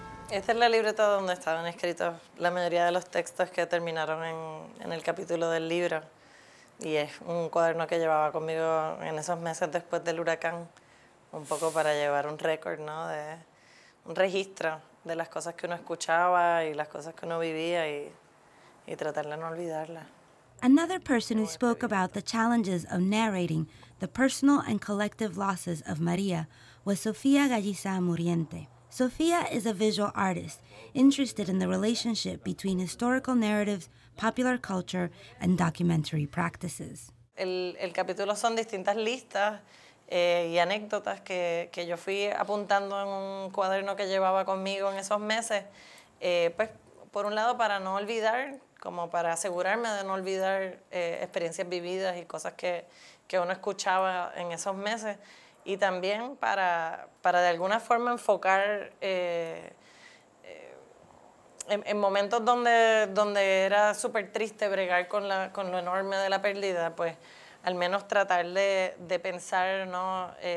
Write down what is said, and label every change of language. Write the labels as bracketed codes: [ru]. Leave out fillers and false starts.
[es] Esta es la libreta donde estaban escritos la mayoría de los textos que terminaron en el capítulo del libro. Y es un cuaderno que llevaba conmigo en esos meses después del huracán, un poco para llevar un récord, ¿no? De un registro de las cosas que uno escuchaba y las cosas que uno vivía y tratar de no olvidarlas. [en] Another person who spoke about the challenges of narrating the personal and collective losses of María was Sofía Galliza Muriente. Sofía is a visual artist interested in the relationship between historical narratives, popular culture, and documentary practices. [es] El capítulo son distintas listas y anécdotas que yo fui apuntando en un cuaderno que llevaba conmigo en esos meses, pues por un lado para no olvidar, como para asegurarme de no olvidar experiencias vividas y cosas que uno escuchaba en esos meses, y también para de alguna forma enfocar en momentos donde era súper triste bregar con lo enorme de la pérdida, pues al menos tratar de pensar, ¿no?